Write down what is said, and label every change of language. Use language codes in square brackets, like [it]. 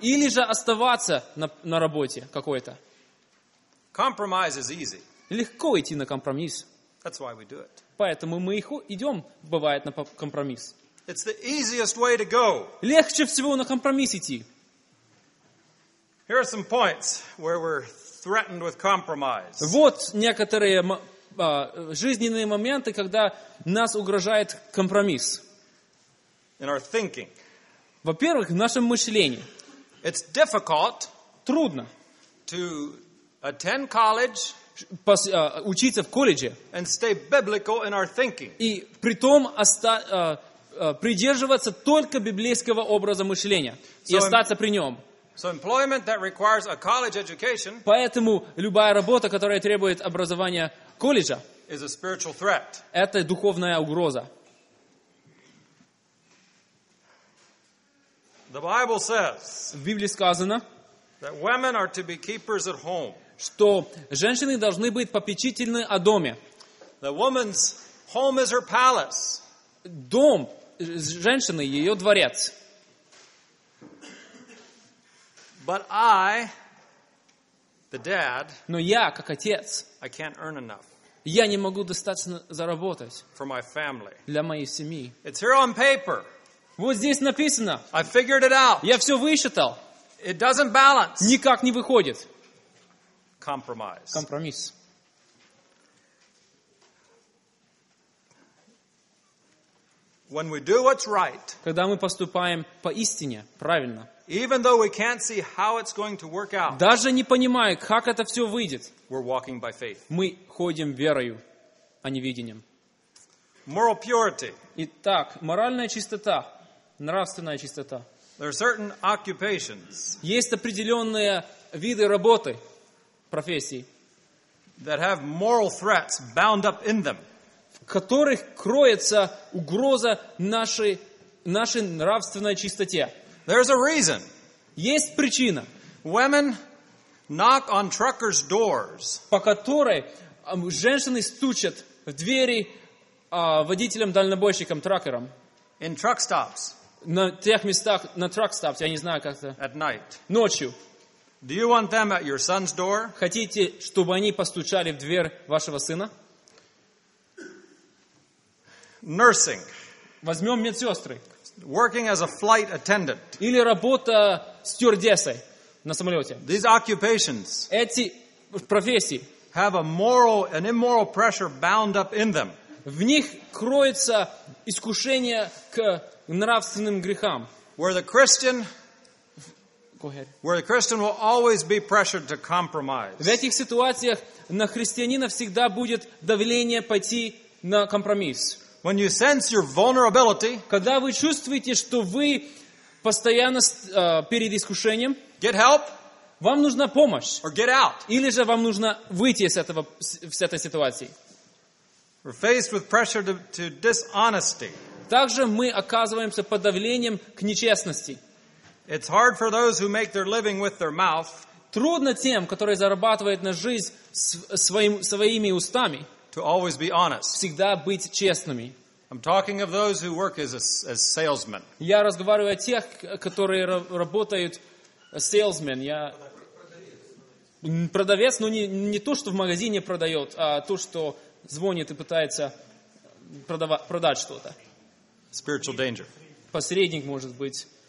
[ru] Или же оставаться на работе какой-то. [en] Compromise is easy. [ru] Легко идти на компромисс. [en] That's why we do it. [ru] Поэтому мы идем, бывает, на компромисс. [en] It's the easiest way to go. [ru] Легче всего на компромисс идти. [en] Here are some points where we're threatened with compromise. [ru] Вот некоторые жизненные моменты, когда нас угрожает компромисс. [en] In our thinking. [ru] Во-первых, в нашем мышлении. [en] It's difficult [ru] трудно [en] to attend college [ru] учиться в колледже [en] and stay biblical in our thinking. [ru] И при том придерживаться только библейского образа мышления и остаться при нем. [en] So employment that requires a college education, [ru] поэтому любая работа, которая требует образования колледжа, [en] is a spiritual threat. [ru] Это духовная угроза. [en] The Bible says, [ru] в Библии сказано, [en] that women are to be keepers at home. [ru] Что женщины должны быть попечительны о доме. [en] The woman's home is her palace. [ru] Дом женщины ее дворец. [en] But I, the dad, [ru] но я как отец, [en] I can't earn enough. [ru] Я не могу достаточно заработать [en] for my family. [ru] Для моей семьи. [en] It's here on paper. [ru] Вот здесь написано. [en] I figured it out. [ru] Я все высчитал. [en] It doesn't balance. [ru] Никак не выходит. [en] Compromise. [ru] Компромисс. [en] When we do what's right, [ru] когда мы поступаем по истине, правильно, [en] even though we can't see how it's going to work out, [ru] даже не понимая, как это все выйдет, [en] we're walking by faith. [ru] Мы ходим верою, а не видением. [en] Moral purity. [ru] Итак, моральная чистота, нравственная чистота. [en] There are certain occupations. [ru] Есть определенные виды работы, профессий, [en] that have moral threats bound up in them. [ru] В которых кроется угроза нашей нравственной чистоте. [en] There's a reason. [ru] Есть причина. [en] Women knock on truckers' doors. [ru] По которой женщины стучат в двери водителям-дальнобойщикам, тракерам. [en] In truck stops. [ru] На тех местах, на [en] truck stops, [ru] я не знаю как-то. [en] At night. [ru] Ночью. [en] Do you want them at your son's door? [ru] Хотите, чтобы они постучали в дверь вашего сына? [en] Nursing. [ru] Возьмем медсестры. [en] Working as a flight attendant. [ru] Или работа стюардессой на самолете. [en] These occupations. [ru] Эти профессии. [en] Have a moral and immoral pressure bound up in them. [ru] В них кроется искушение к нравственным грехам. [en] Where the Christian. Go ahead. Where the Christian will always be pressured to compromise. [ru] В этих ситуациях на христианина всегда будет давление пойти на компромисс. [en] When you sense your vulnerability, [ru] когда вы чувствуете, что вы постоянно перед искушением, [en] get help, [ru] вам нужна помощь, [en] or get out, [ru] или же вам нужно выйти из этого, с этой ситуации. [en] We're faced with pressure to dishonesty. [ru] Также мы оказываемся под давлением к нечестности. [en] It's hard for those who make their living with their mouth. [ru] Трудно тем, которые зарабатывают на жизнь своими устами. [en] To always be honest. [ru] Всегда быть честными. [en] I'm talking of those who work as salesmen. [ru] Я разговариваю о тех, которые работают salesmen. Я продавец, но не то, что в магазине продает, а то, что звонит и пытается продать что-то. [en] Spiritual danger. [ru] Посредник может быть.